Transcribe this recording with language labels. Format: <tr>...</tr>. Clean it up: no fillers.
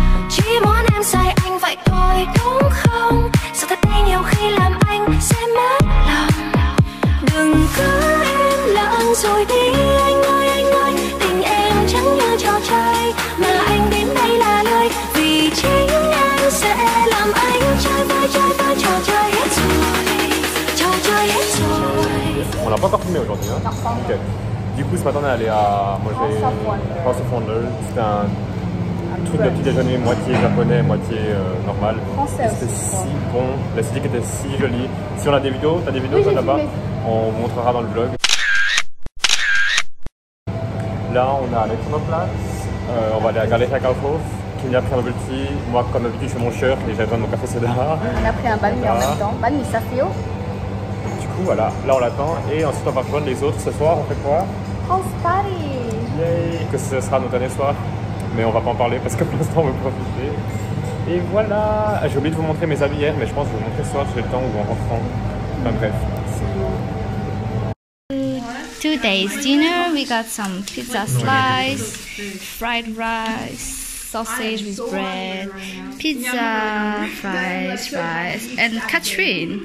<vi>chỉ muốn em say anh vậy thôi đúng không sao thật đây nhiều khi làm anh sẽ mất lòng đừng cứ em lặng rồi đi anh ơi tình em chẳng như trò chơi mà anh đến đây là lời vì chính em sẽ làm anh chơi vơi trò chơi hết rồi trò chơi hết rồi.</vi> <fr>On l'a pas encore filmé aujourd'hui hein. Non, ok. Du coup ce matin on est allé à manger</fr> <en>House of Wonder.</en> <fr>C'est un truc de petit déjeuner moitié japonais moitié normal. Français. C'était si bon, la CD qui était si jolie. Si on a des vidéos, t'as des vidéos oui, toi là-bas? On montrera dans le vlog. Là, on est à Alexanderplatz. On va aller à Galeria Kaufhof. Kim a pris un bubble tea. Moi, comme d'habitude, je fais mon shirt et j'ai besoin de mon café soda. On a pris un banh mi en même temps. Banh mi, ça fait haut. Du coup, voilà. Là, on l'attend. Et ensuite, on va rejoindre les autres ce soir. On fait quoi?</fr> <en>House party. Yay.</en> <fr>Que ce sera notre dernier soir. Mais on va pas en parler parce que pour l'instant, on veut profiter. Et voilà. J'ai oublié de vous montrer mes habits hier, mais je pense que je vais vous montrer ce soir. J'ai le temps ou en rentrant. Enfin, bref.</fr> <en>Today's dinner, we got some pizza slice, fried rice, sausage with bread, pizza, fries, fries, and Catherine.</en>